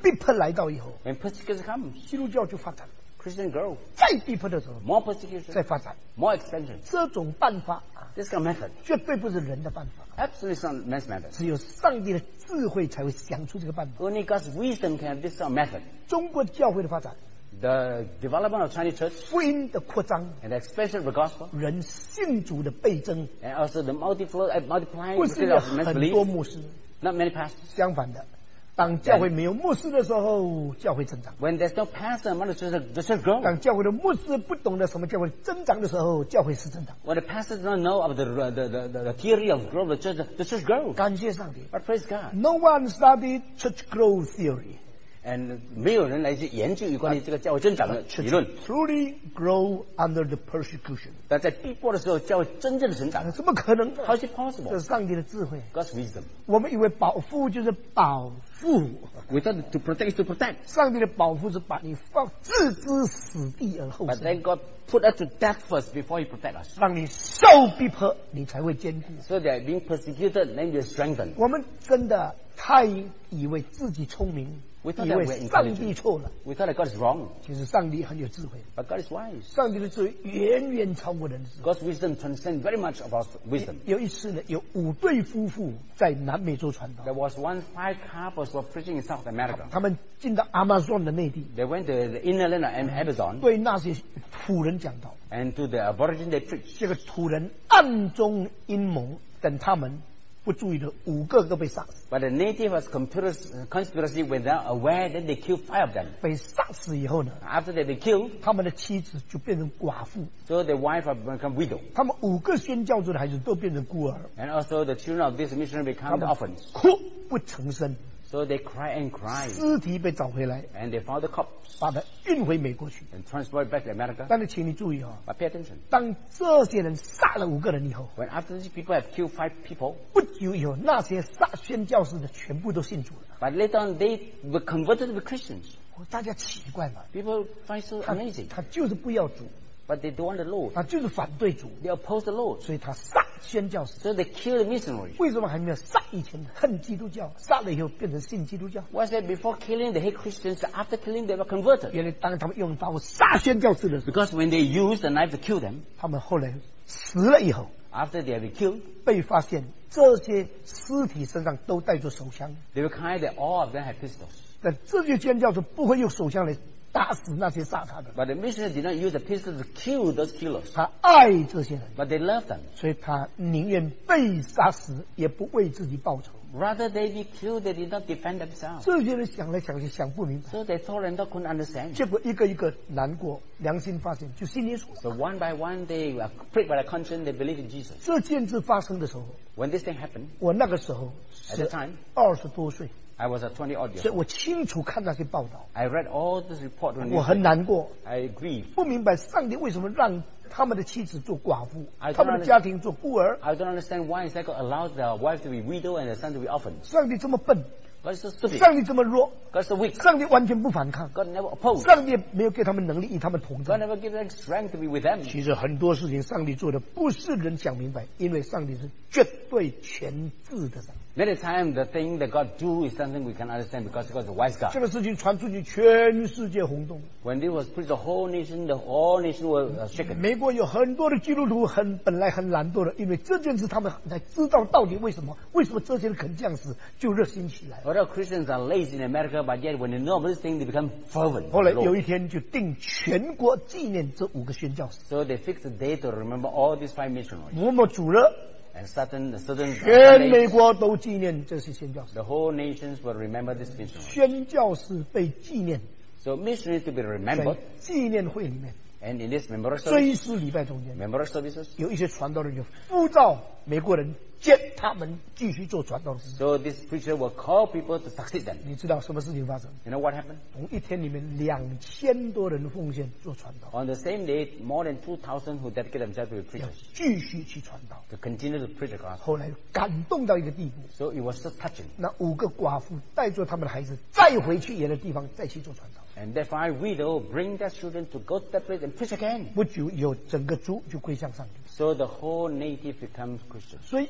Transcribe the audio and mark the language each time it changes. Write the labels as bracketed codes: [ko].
[zh] 逼迫来到以后。 [en] When persecution comes. [zh] 基督教就发展。 [en] Christian grow. [zh] 再逼迫的时候。 [en] More persecution. [zh] 再发展。 [en] More expansion. [zh] 这种办法。 [en] This kind of method [zh] 绝对不是人的办法。 [en] Absolutely not man's method. [zh] 只有上帝的智慧才会想出这个办法。 [en] Only God's wisdom can have this kind of method. [zh] 中国教会的发展。 [en] The development of Chinese church. [zh] 福音的扩张。 [en] And the expansion of the gospel. [zh] 人信主的倍增。 [en] And also the multiplying of men's belief. [zh] 不是很多牧师。 [en] Not many pastors. [zh] 相反的。当教会没有牧师的时候，教会增长。 [en] When there's no pastor among the church, the church grows. [zh] 当教会的牧师不懂得什么教会增长的时候，教会是增长。 [en] When the pastor does not know of the theory of growth, the church grows. [zh] 感谢上帝。 [en] But praise God. No one studied church growth theory. [zh] And 没有人来去研究有关于这个教会增长的理论。 [en] Truly grow under the persecution. [zh] 但在逼迫的时候，教会真正的成长。怎么可能？ [en] How is it possible? [zh] 这是上帝的智慧。 [en] God's wisdom. [zh] 我们以为保护就是保。 [en] We thought to protect is to protect. [zh] 上帝的保护是把你放置之死地而后生。 [en] But then God put us to death first before He protect us. [zh] 让你受逼迫，你才会坚固。 [en] So that being persecuted, then you strengthen. [zh] 我们真的太以为自己聪明，以为上帝错了。 [en] We thought that God is wrong. [zh] 其实上帝很有智慧。 [en] But God is wise. [zh] 上帝的智慧远远超过人的智慧。 [en] God's wisdom transcends very much of our wisdom. [zh] 有一次呢，有五对夫妇在南美洲传道。 [en] There was one five couple. Were preaching in South America. [zh] 他们进到 Amazon 的内地。 [en] They went to the inner land of Amazon. [zh] 对那些土人讲道。 [en] And to the aborigines they preach. [zh] 这个土人暗中阴谋，等他们不注意的，五个都被杀死。 [en] But the native was conspiracy without aware, then they killed five of them. [zh] 被杀死以后呢 [en] ？After they were killed, [zh] 他们的妻子就变成寡妇。 [en] So the wife had become widow. [zh] 他们五个宣教做的孩子都变成孤儿。 [en] And also the children of this missionary became orphans. [zh] 哭不成声。 [en] So they cry and cry. [zh] 尸体被找回来 [en] ，and they found the corpse. [zh] 把它运回美国去 [en] ，and transported back to America. [zh] 但是请你注意哦 [en] ，but pay attention. [zh] 当这些人杀了五个人以后 [en] ，when after these people have killed five people, [zh] 不久以后那些杀宣教士的全部都信主了。 [en] But later on, they were converted to Christians. [zh] 大家奇怪嘛 [en] ，people find so amazing. [zh] 他就是不要主。 [en] But they don't want the Lord. [zh] 他就是反对主。 [en] They oppose the Lord. [zh] 所以他杀宣教士。 [en] So they kill the missionary. [zh] 为什么还没有杀以前恨基督教，杀了以后变成信基督教 [en] ？Why is it before killing they hate Christians, after killing they were converted? [zh] 原来当他们用刀杀宣教士的时候 [en] ，Because when they use the knife to kill them, [zh] 他们后来死了以后 [en] ，After they have been killed, [zh] 被发现这些尸体身上都带着手枪。 [en] They were kind that all of them had pistols. [zh] 那这些宣教士不会用手枪来。打死那些杀他的。 [en] But the missionary did not use the pistol to kill those killers. [zh] 他爱这些人。 [en] But they love them. [zh] 所以他宁愿被杀死，也不为自己报仇。 [en] Rather they be killed, they did not defend themselves. [zh] 这些人想来想去想不明白。 [en] So they thought and couldn't understand. [zh] 结果一个一个难过，良心发现，就信耶稣。 [en] So one by one they prayed by the conscience, they believed in Jesus. [zh] 这件事发生的时候 [en] ，When this thing happened, [zh] 我那个时候 [en] ，At the time, [zh] 20多岁。 [en] I was a 20 odd year. [zh] 所以我清楚看那些报道。 [en] I read all this report. [zh] 我很难过。 [en] I grieve. [zh] 不明白上帝为什么让他们的妻子做寡妇，他们的家庭做孤儿。 [en] I don't understand why God allows the wife to be widow and the son to be orphan. [zh] 上帝这么笨。 [en] God is so stupid. [zh] 上帝这么弱。 [en] God is so weak. [zh] 上帝完全不反抗。 [en] God never opposed. [zh] 上帝没有给他们能力与他们同在。 [en] God never gave them strength to be with them. [zh] 其实很多事情上帝做的不是人想明白，因为上帝是绝对全智的神。 [en] Many times the thing that God do is something we can understand because God is a wise God. [zh] 这个事情传出去，全世界轰动。 [en] When it was preached, the whole nation was shaken. [zh] 美国有很多的基督徒很本来很懒惰的，因为这件事他们才知道到底为什么这些人肯这样死，就热心起来。 [en] A lot of Christians are lazy in America, but yet when they know this thing, they become fervent. [zh] 后来有一天就定全国纪念这五个宣教士。 [en] So they fixed a day to remember all these five missionaries. [zh] 默默主日。 [en] And sudden, the sudden, [zh] 全美国都纪念这些宣教士。 [en] The whole nations will remember this [zh] missionary. 宣教士被纪念。 [en] So missionaries to be remembered. [zh] 纪念会里面。 [en] And in this memorial service, [zh] 追思礼拜中间, [en] memorial services, [zh] 有一些传道人就呼召美国人, 接他们继续做传道的事情。 [en] So this preacher will call people to succeed them. [zh] 你知道什么事情发生? [en] You know what happened? [zh] 同一天里面2000多人奉献做传道。 [en] On the same day, more than 2,000 who dedicated themselves to the preacher. [zh] 要继续去传道。 [en] To continue to preach the gospel. [zh] 后来感动到一个地步。 [en] So it was so touching. [zh] 那5个寡妇带着他们的孩子再回去原来地方再去做传道。 [en] And that five widows bring their children to go to that place and preach again. [zh] 不久有整个族就归向上帝。 [en] So the whole native becomes Christian.